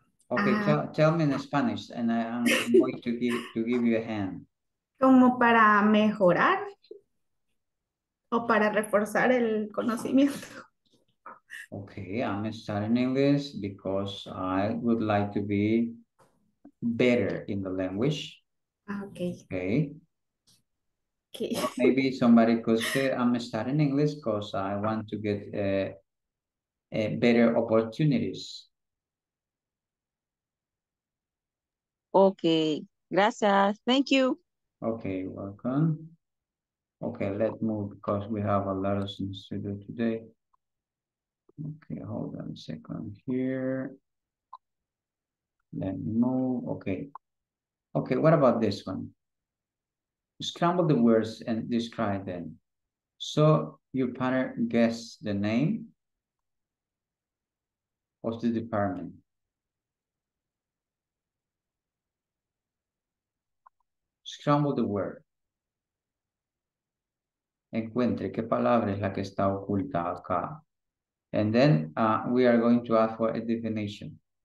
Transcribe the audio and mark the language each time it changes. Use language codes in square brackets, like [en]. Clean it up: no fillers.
[en] Okay, tell me in Spanish, and I'm going to give you a hand. [es] Como para mejorar o para reforzar el conocimiento. [en] Okay, I'm studying English because I would like to be better in the language. Okay. Well, maybe somebody could say, I'm studying English because I want to get a better opportunities. Okay, gracias. Thank you. Okay, welcome. Okay, let's move because we have a lot of things to do today. Okay, hold on a second here. Let me move. Okay. Okay, what about this one? Scramble the words and describe them. So your partner guess the name of the department. Scramble the word. [es] Encuentre qué palabra es la que está oculta acá. [en] And then we are going to ask for a definition.